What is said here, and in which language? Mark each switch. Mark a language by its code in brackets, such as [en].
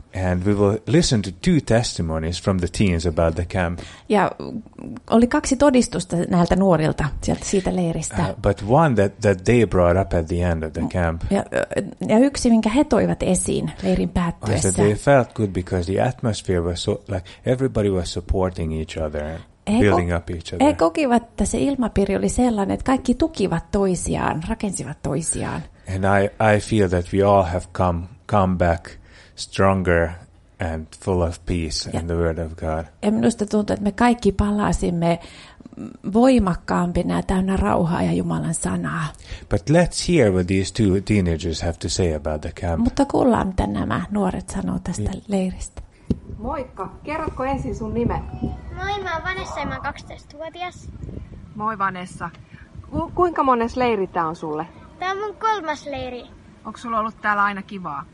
[en] And we will listen to two testimonies from the teens about the camp. [fi] Ja oli kaksi todistusta näiltä nuorilta sieltä siitä leiristä. [en] But one that they brought up at the end of the camp. [fi] Ja yksi minkä he toivat esiin leirin päättyessä. [en] That they felt good because the atmosphere was so, like everybody was supporting each other and building up each other. [fi] He kokivat, että se ilmapiiri oli sellainen, että kaikki tukivat toisiaan, rakensivat toisiaan. [en] And I feel that we all have come back stronger and full of peace in the word of God. [fi] Ja minusta tuntuu, että me kaikki palasimme voimakkaampina ja täynnä rauhaa ja Jumalan sanaa. [en] But let's hear what these two teenagers have to say about the camp. [fi] Mutta kuullaan, mitä nämä nuoret sanoo tästä leiristä. Moikka, kerrotko ensin sun nime? Moi, mä oon Vanessa ja mä oon 12-vuotias. Moi Vanessa. Kuinka mones leiri tää on sulle? Tää on mun kolmas leiri. Onko sulla ollut täällä aina kivaa?